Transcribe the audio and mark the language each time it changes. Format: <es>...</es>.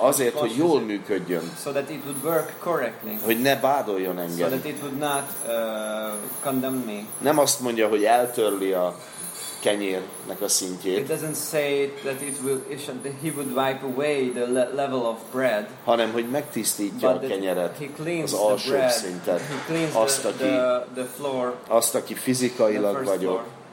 <hu>Azért, hogy jól működjön.</hu> <en>So that it would work correctly.</en> <hu>Hogy ne vádoljon engem.</hu> <en>So that it would not condemn me.</en> <hu>Nem azt mondja, hogy eltörli a kenyérnek a szintjét.</hu> <en>It doesn't say that he would wipe away the level of bread.</en> <hu>Hanem hogy megtisztítja a kenyeret,</hu> <en>he cleans</en> <hu>az alsó</hu> <en>the bread,</en> <hu>szintet.</hu> <en>He cleans the floor.</en> <hu>Azt, aki fizikailag vagyok.</hu>